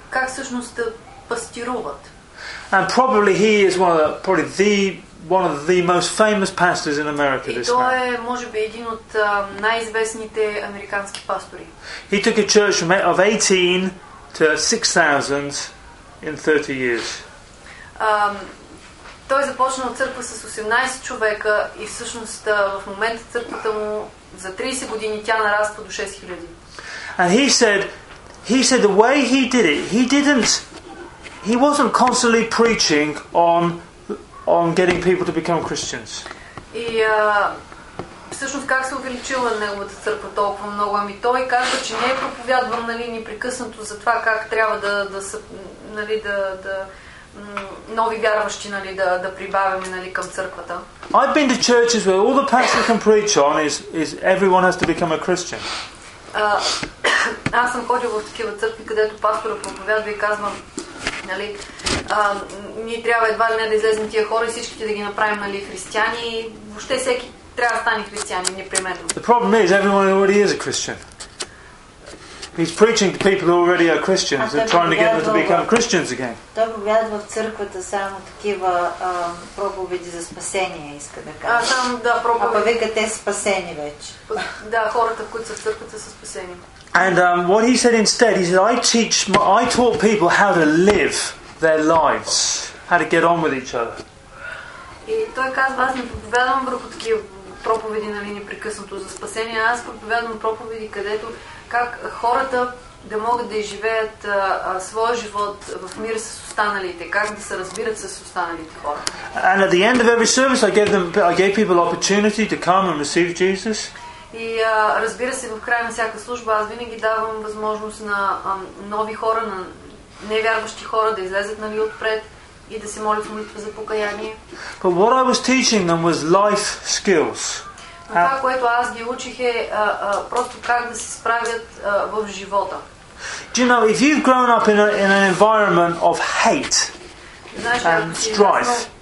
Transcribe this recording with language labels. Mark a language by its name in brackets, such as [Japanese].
[Bulgarian] Как всъщност да пастируват? [English] And probably he is one of the one of the most famous pastors in America, this man. [Bulgarian] Е, може би, един от най-известните американски пастори. [English] He took a church from, of 18 to 6,000 in 30 years. [Bulgarian] Той започна църква с 18 човека и всъщност в момента църквата му за 30 години тя нараства до 6,000. [English] And he said the way he did it, he wasn't constantly preaching on getting people to become Christians. [Bulgarian] И всъщност как се увеличила неговата църква толкова много? Ами той казва, че не е проповядвал, нали, непрекъснато за това как трябва да са, нали, да нови вярващи, нали, да прибавяме, нали, към църквата. [English] I've been to churches where all the pastor can preach on is everyone has to become a Christian. [Bulgarian] Аз съм ходил в такива църкви, където пастора проповядва и казва, нали, ние трябва едва ли не да излезем тия хора и всичките да ги направим, нали, християни, и въобще всеки трябва да стане християнин непременно. [English] The problem is everyone already is a Christian. He's preaching to people who already are Christians and trying to get them to become Christians again. [Bulgarian] Той проповядва в църквата само такива проповеди за спасение, иска да кажа. Там, да, проповеди. А повикате спасени вече. Да, хората, които са в църквата, са спасени. [English] And what he said instead, he said, I taught people how to live their lives, how to get on with each other. [Bulgarian] И той казва, аз не проповядвам върху такива проповеди, нали, непрекъснато за спасение, аз проповядвам проповеди, където как хората да могат да изживеят своя живот в мир с останалите, как да се разбират с останалите хора. [English] And at the end of every service, I gave people opportunity to come and receive Jesus. [Bulgarian] И разбира се, в края на всяка служба аз винаги давам възможност на нови хора, на невярващи хора да излезат, нали, отпред и да се молят молитва за покаяние. [English] But what I was teaching them was life skills. [Bulgarian] Но това, което аз ги учих е просто как да се справят в живота. [English] Do you know, if you've grown up in an environment of hate and strife,